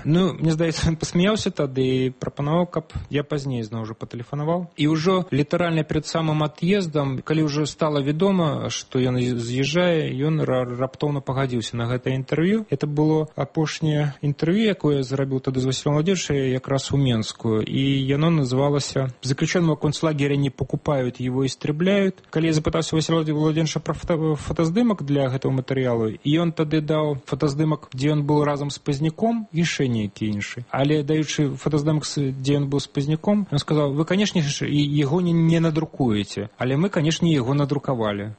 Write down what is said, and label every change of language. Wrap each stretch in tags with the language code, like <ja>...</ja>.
<be>Ну, мне здаецца, ён пасмяяўся тады і прапанаваў, каб я пазней зноў жа патэлефанаваў. І ўжо літаральна перад самым ад'ездам, калі ўжо стала вядома, што ён з'язджае, ён раптоўна пагадзіўся на гэта інтэрв'ю.</be> <ru>Это было</ru> <be>апошняе інтэрв'ю, якое я зрабіў тады з Васілем Владзёрчым якраз у Менску. І яно называлася</be> <ru>«Заключенного концлагеря не покупают, его истребляют».</ru> <be>Калі я запытаўся Васіля Владзёрча пра фотаздымак для гэтага матэрыялу, і ён тады даў фотаздымак, дзе ён быў разам з Пазняком, і яшчэ нейкі іншы. Але даючы фотаздымак, дзе ён быў з Пазняком, ён сказаў: «Вы, канешне, яго не надрукуеце, але мы, канешне, яго надрукавалі».</be>